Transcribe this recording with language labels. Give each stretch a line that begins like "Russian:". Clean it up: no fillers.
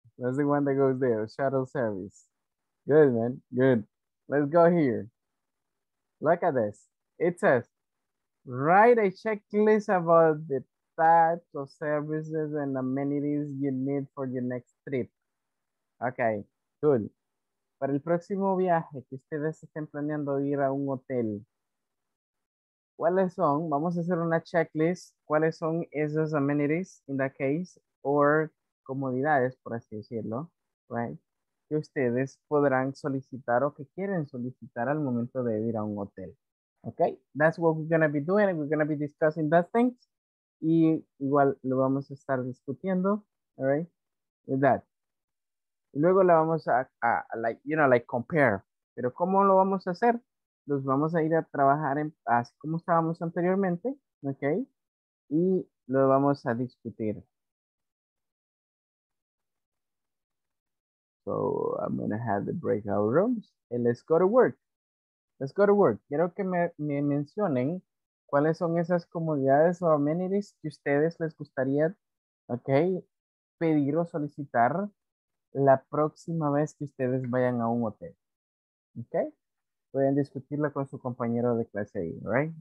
English: That's the one that goes there, shuttle service. Good, man, good. Let's go here. Look at this. It says, write a checklist about the types of services and amenities you need for your next trip. Okay, good.
Spanish: Para el próximo viaje que ustedes estén planeando ir a un hotel, ¿cuáles son? Vamos a hacer una checklist. ¿Cuáles son esos amenities
English: in that case?
Spanish: Or comodidades, por así decirlo, right? Que ustedes podrán solicitar o que quieren solicitar al momento de ir a un hotel. Okay?
English: That's what we're going to be doing. We're going to be discussing that things.
Spanish: Y igual lo vamos a estar discutiendo.
English: All right? With that.
Spanish: Luego la vamos a
English: like, you know, like compare.
Spanish: Pero ¿cómo lo vamos a hacer? Los vamos a ir a trabajar en, así como estábamos anteriormente, ¿ok? Y lo vamos a discutir.
English: So, I'm going to have the breakout rooms. And let's go to work. Let's go to work.
Spanish: Quiero que me mencionen cuáles son esas comodidades o amenities que ustedes les gustaría, ¿ok? Pedir o solicitar la próxima vez que ustedes vayan a un hotel, ¿ok? Pueden discutirla con su compañero de clase ahí, right?